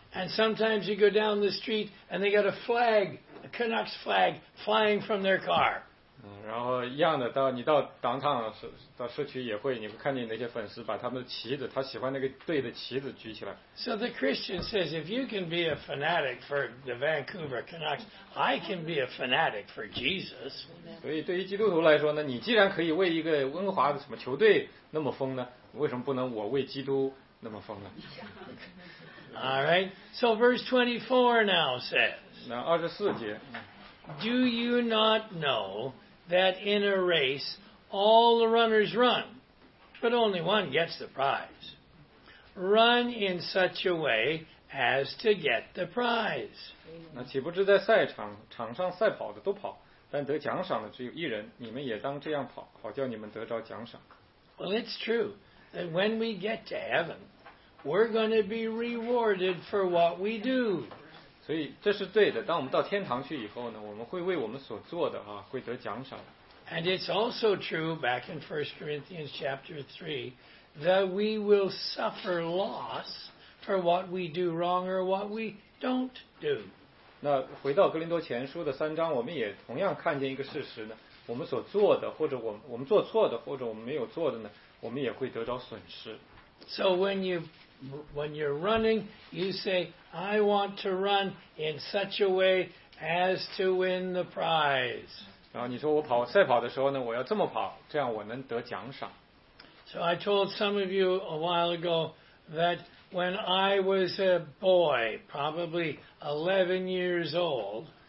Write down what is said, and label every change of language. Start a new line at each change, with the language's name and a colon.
English: And sometimes you go down the street and they got a flag, a Canucks flag, flying from their car.
Chinese: 然后一样的，你到 downtown 到社区也会，你会看见那些粉丝把他们的旗子，他喜欢那个队的旗子举起来。
English: So the Christian says, if you can be a fanatic for the Vancouver Canucks, I can be a fanatic for Jesus.
Chinese: 所以对于基督徒来说呢，你既然可以为一个温华的什么球队那么疯呢，为什么不能我为基督那么疯呢？
English: All right. So verse 24 now says.
Chinese: 那二十四节。
English: Do you not know that in a race all the runners run, but only one gets the prize? Run in such a way as to get the prize.
Chinese: 那岂不知在赛场，场上赛跑的都跑，但得奖赏的只有一人。你们也当这样跑，好叫你们得着奖赏。
English: Well, it's true that when we get to heaven, We're going to be rewarded for what we do.
Chinese: 所以这是对的。当我们到天堂去以后呢，我们会为我们所做的啊，会得奖赏。
English: And it's also true back in 1 Corinthians chapter 3 that we will suffer loss for what we do wrong or what we don't do.
Chinese: 那回到哥林多前书的三章，我们也同样看见一个事实呢，我们所做的或者我们做错的或者我们没有做的呢，我们也会得到损失。
English: So when you're running, you say, I want to run in such a way as to win the prize.
Chinese: 然后你说我跑赛跑的时候呢，我要这么跑，这样我能得奖赏。
English: So I told some of you a while ago that when I was a boy, probably 11 years old,